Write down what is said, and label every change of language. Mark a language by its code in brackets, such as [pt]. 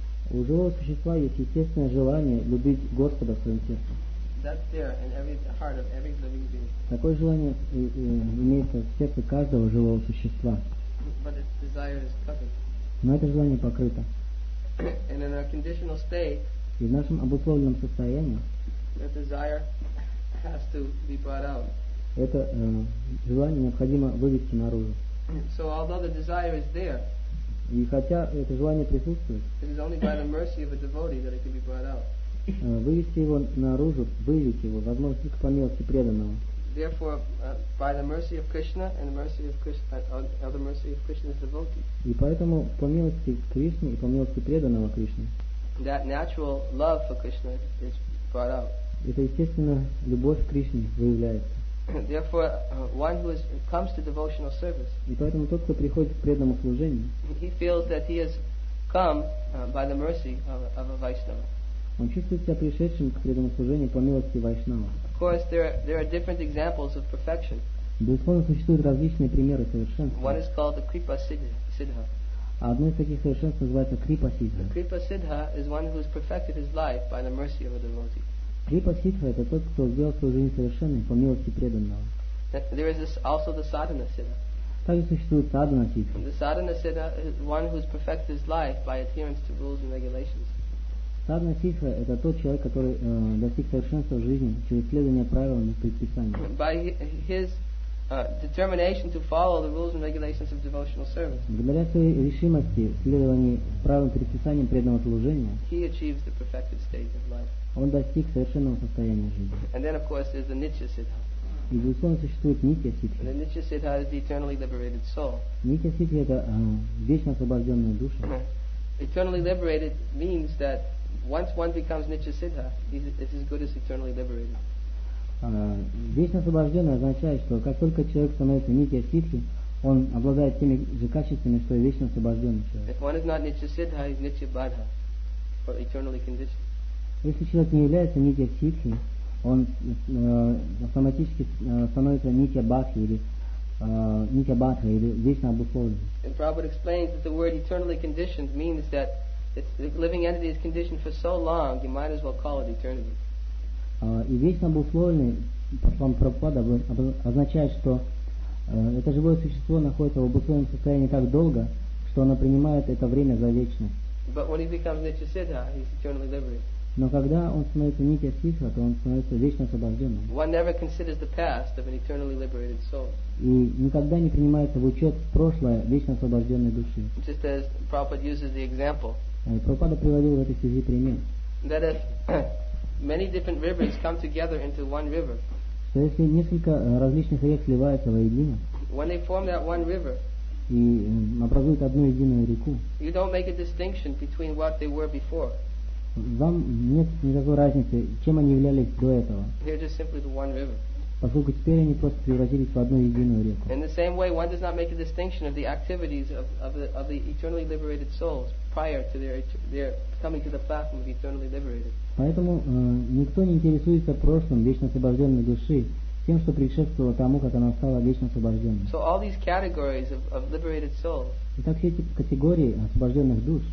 [ru] У живого существа есть естественное желание любить Господа в своем сердце. [en] That's there in every heart of every living being. [ru] Такое желание имеется в сердце каждого живого существа. [en] But its desire is covered. [ru] Но это желание покрыто. [en] And in our conditional state, [ru] и в нашем обусловленном состоянии, [en] that desire has to be brought out. [ru] Это желание необходимо вывести наружу. [en] So although the desire is there, [ru] и хотя это желание присутствует, [en] it is only by the mercy of a devotee that it can be brought out. [ru] Вывести его наружу, вывести его, возможно, только по милости преданного. [en] Therefore, by the mercy of Krishna and the mercy of Krishna, or the mercy of Krishna's devotee. [ru] И поэтому по милости Кришны и по милости преданного Кришны. [en] That natural love for Krishna is brought out. [ru] Это естественно любовь к Кришне выявляется. [en] Therefore, one who comes to devotional service, [ru] и поэтому тот, кто приходит к преданному служению, [en] he feels that he has come by the mercy of a Vaishnava. [ru] Он чувствует себя пришедшим к преданному служению по милости Вайшнава. [en] Of course, there are different examples of perfection. [ru] Безусловно, существуют различные примеры совершенства. [en] One is called the Kripa Siddha. [ru] А одно из таких совершенств называется Kripa Siddha. [en] The Kripa Siddha is one who has perfected his life by the mercy of a devotee. [ru] Kripa Siddha – это тот, кто сделал свою жизнь совершенной по милости преданного. [en] There is also the Sadhana Siddha. [ru] Также существует Sadhana Siddha. [en] The Sadhana Siddha is one who has perfected his life by adherence to rules and regulations. [ru] Sadhana Siddha – это тот человек, который достиг совершенства в жизни через следование правилам и предписаниям. [en] By his determination to follow the rules and regulations of devotional service. [ru] Благодаря своей решимости следования правилам и предписаниям преданного служения, [en] he achieves the perfected state of life. [ru] Он достиг совершенного состояния жизни. [en] And then, of course, there's the Nitya Siddha. [ru] И, безусловно, существует Nitya Siddha. [en] The Nitya Siddha is the eternally liberated soul. [ru] Nitya Siddha – это вечно освобожденная душа. [en] Eternally liberated means that once one becomes Nitya Siddha, it's as good as eternally liberated. [ru] Вечно освобожденный означает, что как только человек становится Нитья Сиддхи, он обладает теми же качествами, что и вечно освобожденный человек. [en] If one is not Nitya Siddha, he's Nitya Badha, or eternally conditioned. [ru] Если человек не является Нитья Сиддхи, он автоматически становится Нитья Бадхи или Нитья Бадха или вечно обусловленный. [en] And Prabhupada explains that the word eternally conditioned means that the living entity is conditioned for so long, you might as well call it eternity. [ru] И вечно обусловленный, по словам Прабхупада, означает, что это живое существо находится в обусловленном состоянии так долго, что оно принимает это время за вечность. [en] But when he becomes Nitya Siddha, he's eternally liberated. [ru] Но когда он становится нитья стиха, то он становится вечно освобожденным. [en] One never considers the past of an eternally liberated soul. [ru] И никогда не принимается в учет прошлое вечно освобожденной души. [en] Just as Prabhupada uses the example. [ru] Прабхупада приводил в этой связи пример. [en] That if many different rivers come together into one river. [ru] То если несколько различных рек сливаются воедино. [en] When they form that one river. [ru] И образуют одну единую реку. [en] You don't make a distinction between what they were before. [ru] Вам нет никакой разницы, чем они являлись до этого. [en] They're just simply the one river. [ru] Поскольку теперь они просто превратились в одну единую реку. [en] In the same way, one does not make a distinction of the activities of the eternally liberated souls prior to their coming to the platform of eternally liberated. [ru] Поэтому никто не интересуется прошлым вечно освобожденной души, тем, что предшествовало тому, как она стала вечно освобожденной. [en] So all these categories of liberated souls. [ru] Итак, все эти категории освобожденных душ.